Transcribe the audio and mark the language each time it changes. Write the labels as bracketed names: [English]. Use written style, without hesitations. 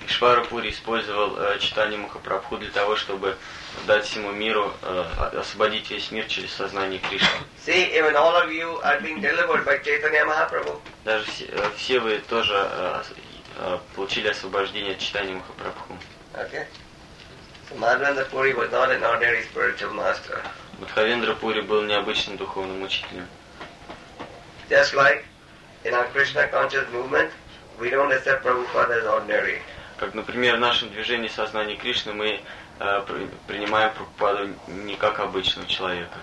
[Russian] Ishwara Puri использовал Чайтанья Махапрабху для того, чтобы дать всему миру освободить весь мир через сознание Кришны. [English] See, even all of you are being delivered by Chaitanya Mahaprabhu. [Russian] Даже все вы тоже получили освобождение от читания Махапрабху. [English] Okay. Madhavendra Puri was not an ordinary spiritual master. [Russian] Мадхавендра Пури был необычным духовным учителем. [English] Just like in our Krishna conscious movement, we don't accept Prabhupada as ordinary. [Russian] Как, например, в нашем движении сознания Кришны мы принимаем Прабхупаду не как обычного человека.